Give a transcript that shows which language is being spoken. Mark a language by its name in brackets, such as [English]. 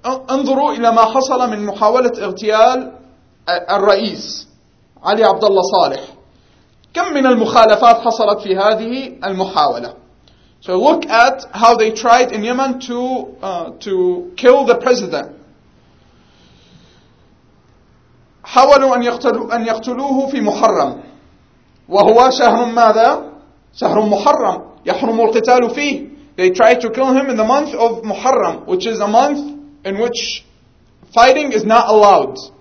[Arabic] انظروا إلى ما حصل من محاولة اغتيال الرئيس علي عبد الله صالح. كم من المخالفات حصلت في هذه المحاولة؟ [English] So look at how they tried in Yemen to kill the president. [Arabic] حاولوا أن يقتلوه في محرم. وهو شهر ماذا؟ شهر محرم يحرم القتال فيه. [English] They tried to kill him in the month of Muharram, which is a month in which fighting is not allowed.